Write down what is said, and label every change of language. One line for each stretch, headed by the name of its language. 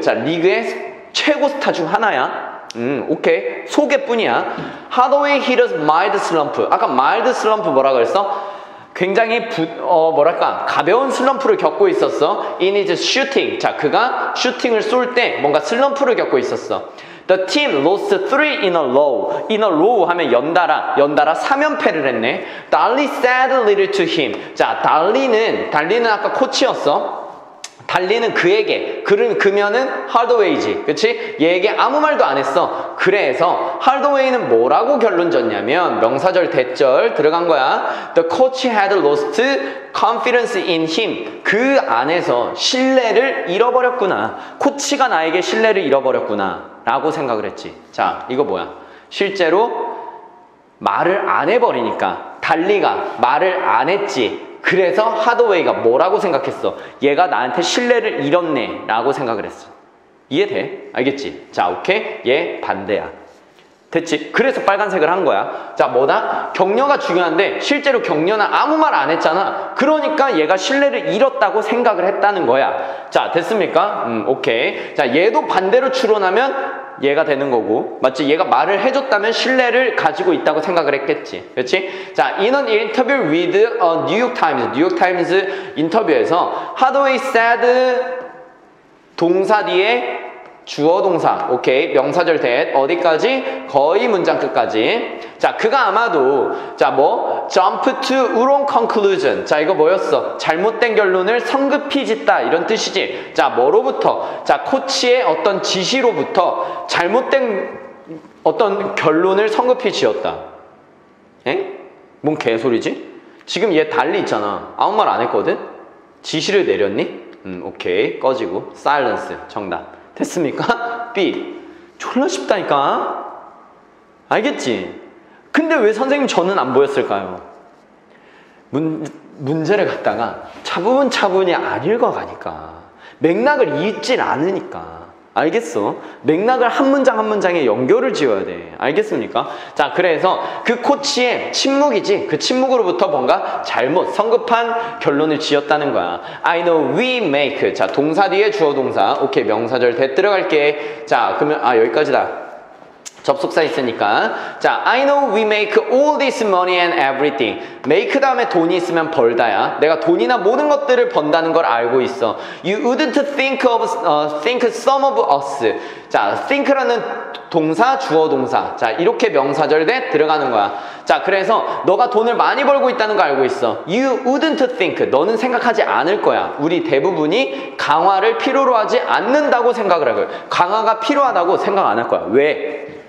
Korean: 자, 리그의 최고 스타 중 하나야. 오케이. 소개뿐이야.
English: Hardaway hit a mild slump.
Korean: 아까 mild slump 뭐라 그랬어? 굉장히 뭐랄까 가벼운 슬럼프를 겪고 있었어.
English: In his shooting.
Korean: 자, 그가 슈팅을 쏠 때 뭔가 슬럼프를 겪고 있었어.
English: The team lost three in a row. In a row
Korean: 하면 연달아 3연패를 했네.
English: Dali said a little to him.
Korean: 자, 달리는 아까 코치였어. 달리는 그에게, 그러면은 하드웨이지. 그치? 얘에게 아무 말도 안 했어. 그 그래서 하드웨이는 뭐라고 결론 졌냐면 명사절 대절 들어간 거야.
English: The coach had lost confidence in him.
Korean: 그 안에서 신뢰를 잃어버렸구나. 코치가 나에게 신뢰를 잃어버렸구나 라고 생각을 했지. 자, 이거 뭐야? 실제로 말을 안 해버리니까 달리가 말을 안 했지. 그래서 하드웨이가 뭐라고 생각했어? 얘가 나한테 신뢰를 잃었네 라고 생각을 했어. 이해돼? 알겠지? 자, 오케이. 얘 반대야. 됐지? 그래서 빨간색을 한 거야. 자, 뭐다? 격려가 중요한데 실제로 격려는 아무 말 안 했잖아. 그러니까 얘가 신뢰를 잃었다고 생각을 했다는 거야. 자, 됐습니까? 오케이. 자, 얘도 반대로 추론하면 얘가 되는 거고, 맞지? 얘가 말을 해줬다면 신뢰를 가지고 있다고 생각을 했겠지. 그렇지? 자,
English: in an interview with New York Times
Korean: 인터뷰에서
English: Hardaway said
Korean: 동사 뒤에 주어 동사, 오케이, 명사절 that 어디까지? 거의 문장 끝까지. 자, 그가 아마도 자, 뭐
English: jump to wrong conclusion.
Korean: 자, 이거 뭐였어? 잘못된 결론을 성급히 짓다 이런 뜻이지. 자, 뭐로부터? 자, 코치의 어떤 지시로부터 잘못된 어떤 결론을 성급히 지었다. 엥? 뭔 개소리지? 지금 얘 달리 있잖아. 아무 말 안 했거든? 지시를 내렸니? 오케이, 꺼지고 silence 정답. 됐습니까? B. 졸라 쉽다니까. 알겠지? 근데 왜 선생님 저는 안 보였을까요? 문제를 갖다가 차분차분히 안 읽어가니까. 맥락을 잊질 않으니까. 알겠어? 맥락을 한 문장 한 문장에 연결을 지어야 돼. 알겠습니까? 자, 그래서 그 코치의 침묵이지. 그 침묵으로부터 뭔가 잘못, 성급한 결론을 지었다는 거야.
English: I know we make.
Korean: 자, 동사 뒤에 주어 동사. 오케이, 명사절 대 들어갈게. 자, 그러면 아, 여기까지다. 접속사 있으니까.
English: 자, I know we make all this money and everything.
Korean: make 다음에 돈이 있으면 벌다야. 내가 돈이나 모든 것들을 번다는 걸 알고 있어.
English: You wouldn't think of think some of us.
Korean: 자, think라는 동사, 주어 동사. 자, 이렇게 명사절 대 들어가는 거야. 자, 그래서 너가 돈을 많이 벌고 있다는 걸 알고 있어.
English: You wouldn't think.
Korean: 너는 생각하지 않을 거야. 우리 대부분이 강화를 필요로 하지 않는다고 생각을 하고, 강화가 필요하다고 생각 안 할 거야. 왜?